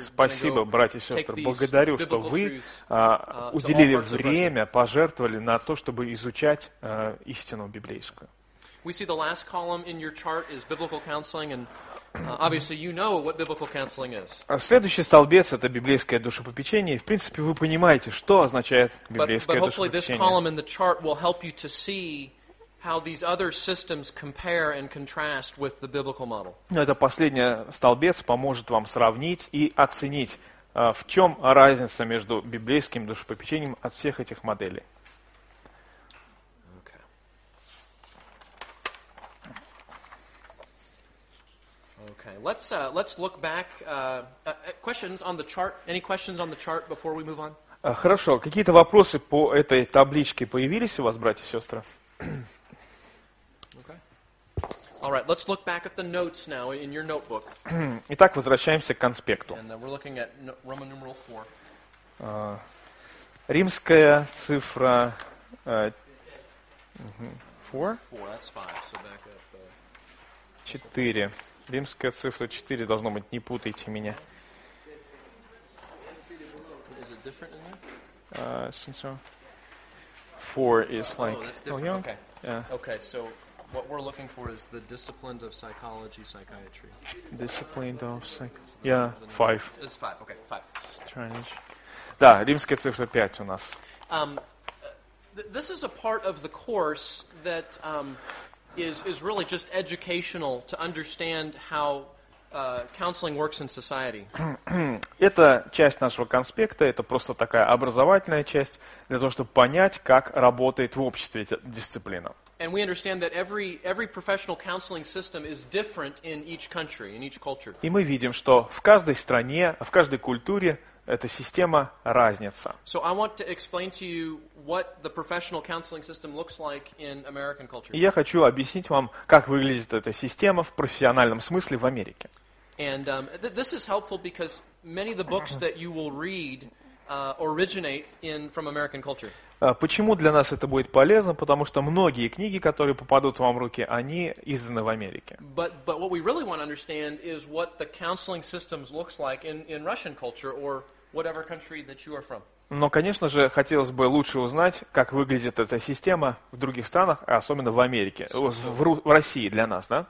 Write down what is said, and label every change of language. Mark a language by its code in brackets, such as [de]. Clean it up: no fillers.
[ru] Спасибо, братья и сестры. Благодарю, что вы уделили время, пожертвовали на то, чтобы изучать истину библейскую. [en] We see the last column in your chart is biblical counseling, and obviously you know what biblical counseling is. [ru] Следующий столбец — это библейское душепопечение. В принципе, вы понимаете, что означает библейское душепопечение. [en] But hopefully this column in the chart will help you to see how these other systems compare and contrast with the biblical model. [ru] Но это последний столбец поможет вам сравнить и оценить, в чем разница между библейским душепопечением от всех этих моделей. [en] Okay. Okay. Let's look back questions on the chart. Any questions on the chart before we move on? [ru] Хорошо. Какие-то вопросы по этой табличке появились у вас, братья и сестры? [en] All right, let's look back at the notes now in your notebook. [ru] Итак, возвращаемся к конспекту. [en] And we're looking at Roman numeral 4. [ru] Римская цифра 4. [en] 4, that's 5. So back up 4. [ru] Римская цифра 4 должно быть, не путайте меня. [en] Is it different in there? Since so 4 is like that's different. Oh, yeah. Okay. Yeah. Okay, so what we're looking for is the disciplines of psychology, psychiatry. Disciplined of psychology. Yeah, five. It's five, okay, five. Strange. [ru] Да, римская цифра 5 у нас. [en] This is a part of the course that is really just educational to understand how counseling works in society. [ru] Это часть нашего конспекта, это просто такая образовательная часть для того, чтобы понять, как работает в обществе эта дисциплина. [en] And we understand that every professional counseling system is different in each country, in each culture. [ru] И мы видим, что в каждой стране, в каждой культуре эта система разница. [en] So I want to explain to you what the professional counseling system looks like in American culture. [ru] И я хочу объяснить вам, как выглядит эта система в профессиональном смысле в Америке. [en] And this is helpful because many of the books that you will read originate from American culture. [ru] Почему для нас это будет полезно? Потому что многие книги, которые попадут вам в руки, они изданы в Америке. [en] But what we really want to understand is what the counseling systems looks like in Russian culture or whatever country that you are from. [ru] Но, конечно же, хотелось бы лучше узнать, как выглядит эта система в других странах, особенно в Америке, в России для нас, да?